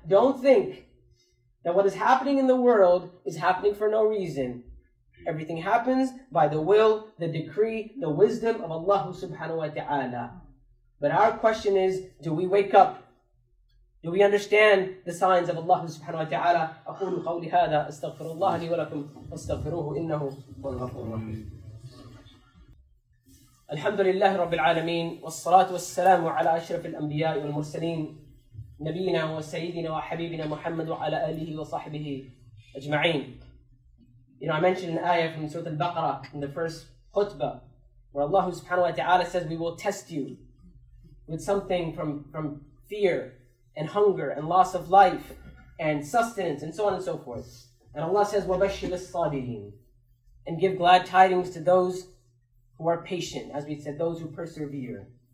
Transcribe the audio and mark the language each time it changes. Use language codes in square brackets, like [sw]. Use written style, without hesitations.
[en] Don't think that what is happening in the world is happening for no reason. Everything happens by the will, the decree, the wisdom of Allah subhanahu wa ta'ala. But our question is, do we wake up? Do we understand the signs of Allah subhanahu wa ta'ala? [ar] أقول قولي هذا أستغفر الله لي ولكم أستغفروه إنه هو الغفور الرحيم. الحمد لله رب العالمين والصلاة والسلام على أشرف الأنبياء والمرسلين نبينا وسيدنا وحبيبنا محمد وعلى آله وصحبه أجمعين. [en] You know, I mentioned an ayah from Surah Al-Baqarah in the first khutbah where Allah subhanahu wa ta'ala says, "We will test you with something from fear and hunger and loss of life and sustenance and so on and so forth." And Allah says, [ar] وَبَشِّرِ الصَّابِرِينَ, [en] and give glad tidings to those who are patient, as we said, those who persevere.